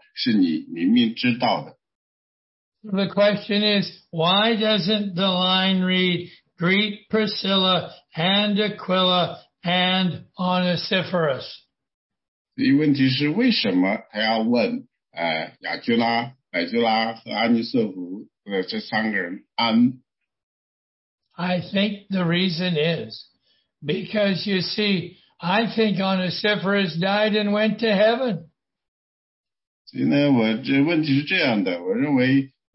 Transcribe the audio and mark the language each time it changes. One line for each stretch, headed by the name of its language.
Chinese: 你是这样，这就是啊，你是否在使徒保罗身上行的善事？第十六节、第十七节、第十八节是这样说的：听他后书一章，愿主念主怜悯安息色弗一家的人，因他屡次说畅快不依我的所念为耻，反倒在罗马的时候殷勤的找我，并且找着了。愿主使他在那日得主的怜悯，他在以弗所怎样多多的服侍我，是你明明知道的。
English: The question is, why doesn't the line read, greet Priscilla and Aquila and Onesiphorus?
Chinese: 问题是为什么他要问亚居拉、百居拉和安尼瑟夫这三个人安？
English: I think the reason is, because you see, I think Onesiphorus died and went to heaven.
Chinese: 所以呢，我这问题是这样的，我认为。